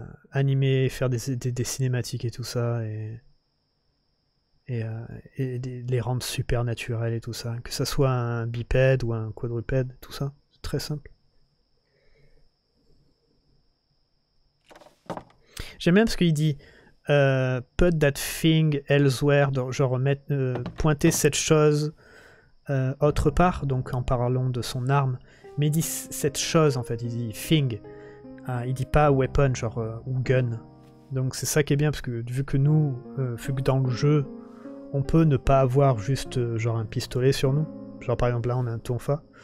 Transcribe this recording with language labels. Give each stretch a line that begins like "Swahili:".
French: Animer, faire des cinématiques et tout ça. Et les rendre super naturels et tout ça. Que ça soit un bipède ou un quadrupède, tout ça. C'est très simple. J'aime bien parce qu'il dit...
English: put that thing elsewhere.
French: Genre, pointer cette chose... autre part, donc en parlant de son arme, mais il dit cette chose en fait, il dit thing, il dit pas weapon, genre ou gun. Donc c'est ça qui est bien, parce que vu que nous, vu que dans le jeu, on peut ne pas avoir juste genre un pistolet sur nous, genre par exemple là on a un tonfa,